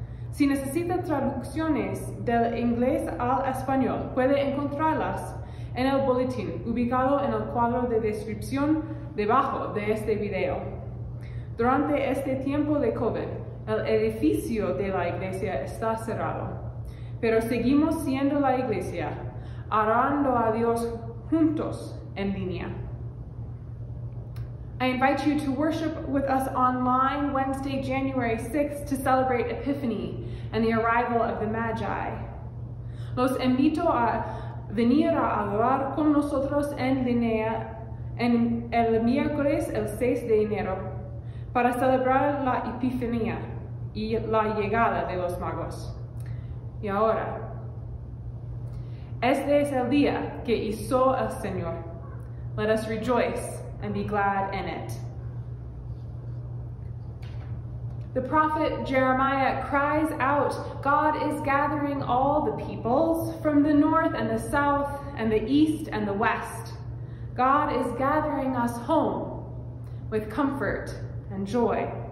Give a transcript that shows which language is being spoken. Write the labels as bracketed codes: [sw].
[es] Si necesita traducciones del inglés al español, puede encontrarlas en el boletín, ubicado en el cuadro de descripción debajo de este video. Durante este tiempo de COVID, el edificio de la iglesia está cerrado, pero seguimos siendo la iglesia, orando a Dios juntos en línea. [en] I invite you to worship with us online Wednesday, January 6th, to celebrate Epiphany and the arrival of the Magi. [es] Los invito a venir a adorar con nosotros en línea en el miércoles, el 6 de enero, para celebrar la Epifanía y la llegada de los magos. Y ahora, este es el día que hizo el Señor. [en] Let us rejoice and be glad in it. The prophet Jeremiah cries out, God is gathering all the peoples from the north and the south and the east and the west. God is gathering us home with comfort and joy.